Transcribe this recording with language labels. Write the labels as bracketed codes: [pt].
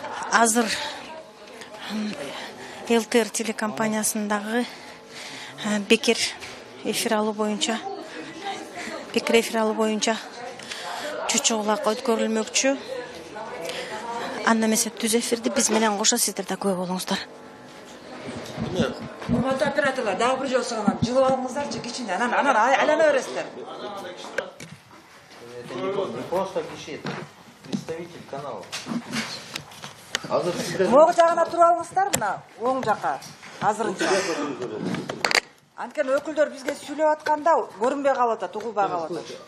[ky] Азыр ЛТР телекомпаниясындагы бекер эфир алуу боюнча пикир эфир алуу боюнча чочоолак өткөрүлмөкчү. Анда эмесе түз эфирди биз менен кошо сиздер да көп болуңуздар. Урматтуу операторлор, дагы бир жолу сагынам, жылып алыңыздарчы кичинде, анан айлана бересиздер. [ru] Это не просто киши, это представитель канала. [ky] Оң жагына туруп алыңыздар, мына оң жака азырынча. Анткени өкүлдөр бизге сүйлөп атканда көрүнбөй калып атат, угулбай калып атат.